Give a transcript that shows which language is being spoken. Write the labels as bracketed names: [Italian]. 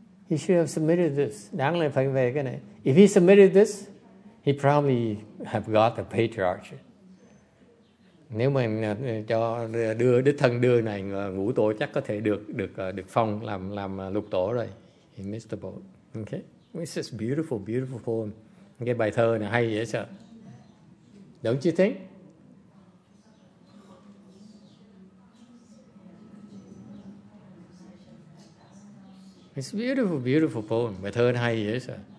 [English] He should have submitted this. [Vietnamese] Đáng lẽ phải về cái này. [English] If he submitted this, he probably have got the patriarchate. [Vietnamese] Nếu mà cho đưa đích thân đưa này ngũ tổ chắc có thể được phong làm lục tổ rồi. [English] He missed the boat. Okay. It's just beautiful, beautiful poem. [Vietnamese] Cái bài thơ này hay dễ sợ. [English] Don't you think? It's beautiful, beautiful poem. [Vietnamese] Bài thơ này hay dễ sợ.